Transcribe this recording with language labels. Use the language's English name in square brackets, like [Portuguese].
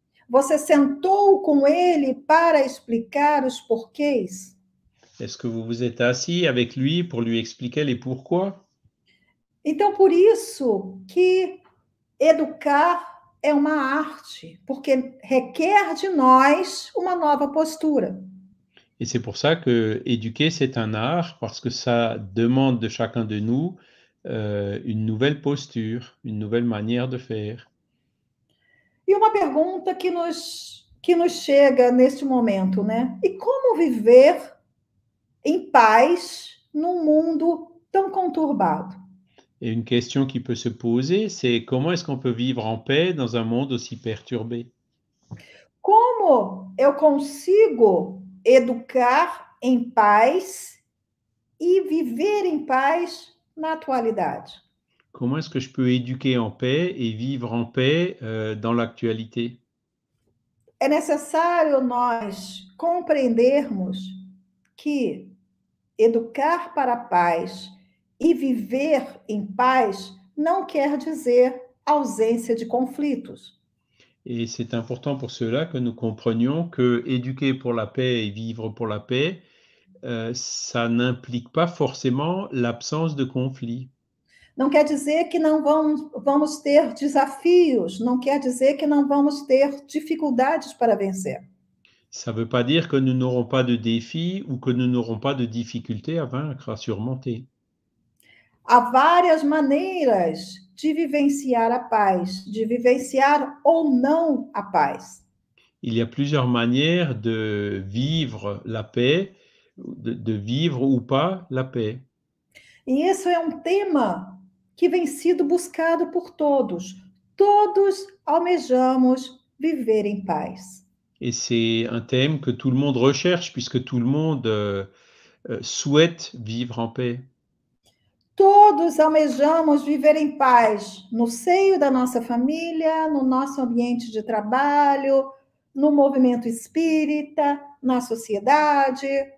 [Portuguese] Você sentou com ele para explicar os porquês? [French] Est-ce que vous vous êtes assis avec lui pour lui expliquer les pourquoi? [Portuguese] Então, por isso que educar é uma arte, porque requer de nós uma nova postura. [French] Et c'est pour ça que éduquer, c'est un art, parce que ça demande de chacun de nous une nouvelle posture, une nouvelle manière de faire. [Portuguese] E uma pergunta que nos chega neste momento, né? E como viver em paz num mundo tão conturbado? [French] Et une question qui peut se poser, c'est comment est-ce qu'on peut vivre en paix dans un monde aussi perturbé? [Portuguese] Como eu consigo educar em paz e viver em paz na atualidade? [French] Comment est-ce que je peux éduquer en paix et vivre en paix dans l'actualité? [Portuguese] É necessário nós compreendermos que educar para a paz e viver em paz não quer dizer ausência de conflitos. [French] Et c'est important pour cela que nous comprenions que éduquer pour la paix et vivre pour la paix, ça n'implique pas forcément l'absence de conflits. [Portuguese] Não quer dizer que não vamos ter desafios, não quer dizer que não vamos ter dificuldades para vencer. [French] Ça ne veut pas dire que nous n'aurons pas de défis ou que nous n'aurons pas de difficultés à vaincre, à surmonter. [Portuguese] Há várias maneiras de vivenciar a paz, de vivenciar ou não a paz. [French] Il y a plusieurs manières de vivre la paix, de vivre ou pas la paix. [Portuguese] E isso é um tema que vem sido buscado por todos. Todos almejamos viver em paz. [French] Et c'est un thème que tout le monde recherche, puisque tout le monde souhaite vivre en paix. [Portuguese] Todos almejamos viver em paz no seio da nossa família, no nosso ambiente de trabalho, no movimento espírita, na sociedade.